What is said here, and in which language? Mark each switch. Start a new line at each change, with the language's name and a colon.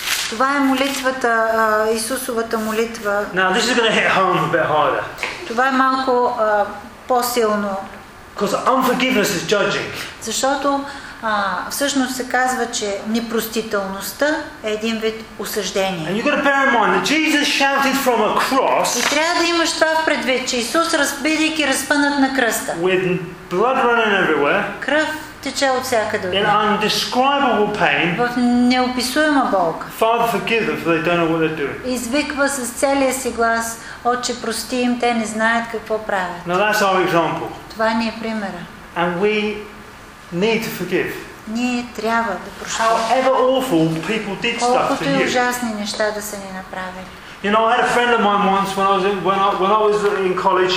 Bulgarian: Това е молитвата, Исусовата молитва.
English: Now this is going to hit home a bit harder.
Bulgarian: Това е малко по-силно.
English: Because unforgiveness is judging.
Bulgarian: Защото всъщност се казва, че непростителността е един вид осъждение.
English: And you got to bear in mind that Jesus shouted from a cross.
Bulgarian: И трябва да имаш това в предвид, че Исус, разбидейки разпънат на кръста.
English: With blood running everywhere.
Bulgarian: Кръв тече от всякъде.
English: In indescribable pain.
Bulgarian: В неописуема болка.
English: Father, forgive them, for they don't know what they're doing.
Bulgarian: Извиква с целия си глас: Отче, прости им, те не знаят какво правят.
English: Now that's our example.
Bulgarian: Това ни е примера.
English: And we need to forgive.
Bulgarian: Ние трябва да прощаваме.
English: However awful people did stuff to you.
Bulgarian: Колкото и ужасни неща да са ни направили.
English: You know, I had a friend of mine once when I was in college.